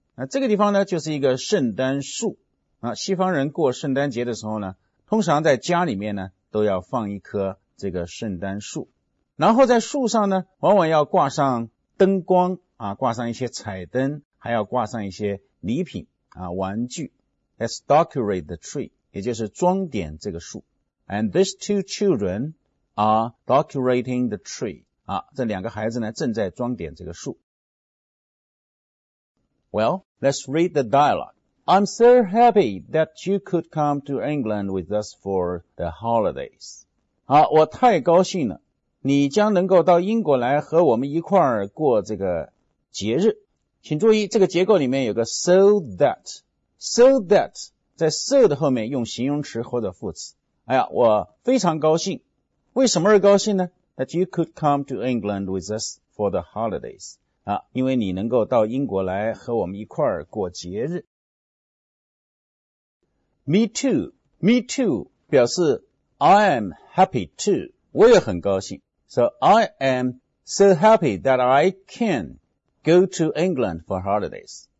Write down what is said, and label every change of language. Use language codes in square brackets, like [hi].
[zh] 那这个地方呢就是一个圣诞树。啊，西方人过圣诞节的时候呢，通常在家里面呢都要放一棵这个圣诞树。然后在树上呢往往要挂上灯光啊，挂上一些彩灯，还要挂上一些礼品啊，玩具。 [en] Let's decorate the tree. [zh] 也就是装点这个树。 [en] And these two children are decorating the tree. [zh] 啊，这两个孩子呢正在装点这个树。 [en] Well, let's read the dialogue. I'm so happy that you could come to England with us for the holidays. [zh] 好，我太高兴了，你将能够到英国来和我们一块儿过这个节日。请注意，这个结构里面有个 so that. So that 在 so 的后面用形容词或者副词。哎呀，我非常高兴。为什么而高兴呢？ [en] That you could come to England with us for the holidays. [zh] 啊，因为你能够到英国来和我们一块儿过节日。 [en] Me too. Me too [zh] 表示 [en] I am happy too. [zh] 我也很高兴。 [en] So I am so happy that I can go to England for holidays.